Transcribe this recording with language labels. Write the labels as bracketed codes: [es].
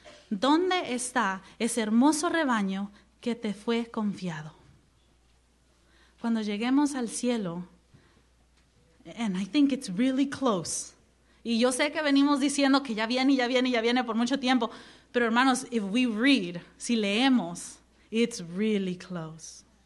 [es] ¿Dónde está ese hermoso rebaño que te fue confiado? Cuando lleguemos al cielo, [en] and I think it's really close. [es] Y yo sé que venimos diciendo que ya viene, ya viene, ya viene por mucho tiempo. Pero hermanos, [en] if we read, [es] si leemos, [en] it's really close.